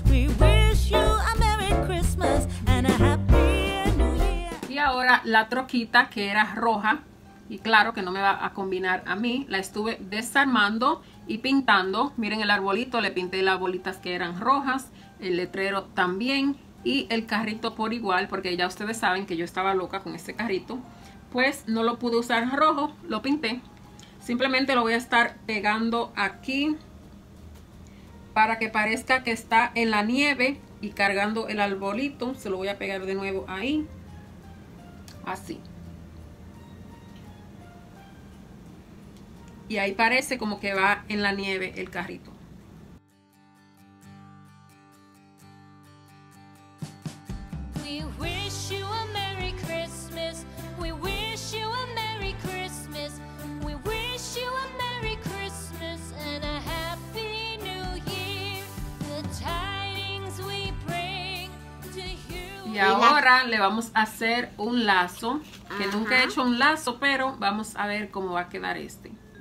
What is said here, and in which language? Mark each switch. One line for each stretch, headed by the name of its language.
English: We wish you a Merry Christmas and a happy.
Spanish: Ahora la troquita que era roja y claro que no me va a combinar a mí, la estuve desarmando y pintando. Miren el arbolito, le pinté las bolitas que eran rojas, el letrero también y el carrito por igual, porque ya ustedes saben que yo estaba loca con este carrito. Pues no lo pude usar rojo, lo pinté. Simplemente lo voy a estar pegando aquí para que parezca que está en la nieve y cargando el arbolito. Se lo voy a pegar de nuevo ahí. Así. Y ahí parece como que va en la nieve el carrito.
English: We wish you a Merry Christmas. We wish you a Merry Christmas. We wish you a Merry Christmas and a Happy New Year. The tidings we bring to you.
Spanish: Y ahora le vamos a hacer un lazo, que nunca he hecho un lazo, pero vamos a ver cómo va a quedar este.